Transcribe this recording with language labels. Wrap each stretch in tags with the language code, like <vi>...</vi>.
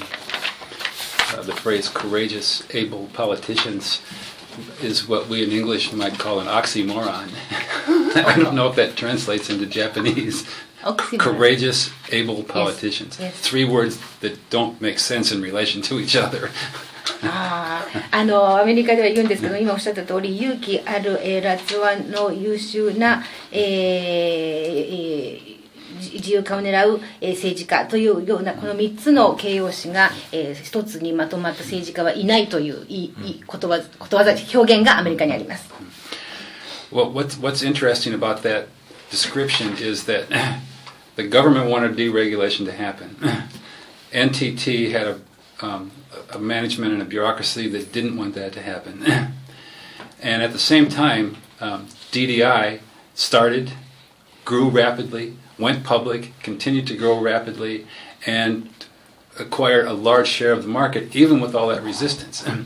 <en>The phrase courageous, able politicians is what we in English might call an oxymoron. I don't know if that translates into Japanese. Oxymoron. Courageous, able politicians. Yes. Yes. Three words that don't make sense in relation to each other.</en> <ja>アメリカでは言うんですけど、今おっしゃった通り、勇気ある、辣腕の優秀な、自由化を狙う政治家というようなこの3つの形容詞が一つにまとまった政治家はいないという ことわざ表現がアメリカにあります。</ja> <en>Well, what's interesting about that description is that the government wanted deregulation to happen. NTT had a management and a bureaucracy that didn't want that to happen. And at the same time, DDI started, grew rapidly,went public, continued to grow rapidly, and acquired a large share of the market, even with all that resistance.</en>